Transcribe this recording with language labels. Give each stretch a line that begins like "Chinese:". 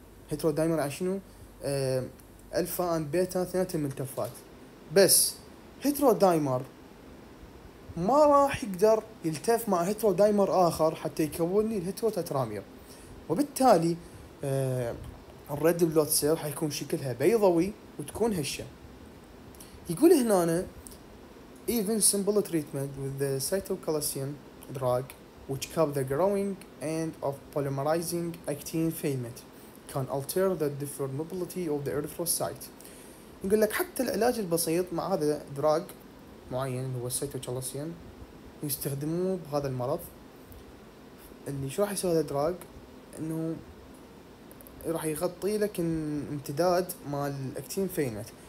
Arabic: هيترودايمر يعني شنو؟ الفا اند بيتا اثنين ملتفات، بس هيترودايمر ما راح يقدر يلتف مع هيترودايمر اخر حتى يكون لي الهيتروتترامير، وبالتالي الريد بلود سيل حيكون شكلها بيضوي وتكون هشه. يقول هنا
English: even simple treatment with the cytochalasin drug which cap the growing and of polymerizing actin filament can alter the deformability of the erythrocyte.
Arabic: يقول لك حتى العلاج البسيط مع هذا دراج معين هو السيتوكالسيوم يستخدموه بهذا المرض، اللي شو راح يسوي هذا دراج انه راح يغطي لك امتداد مال الاكتين فينت.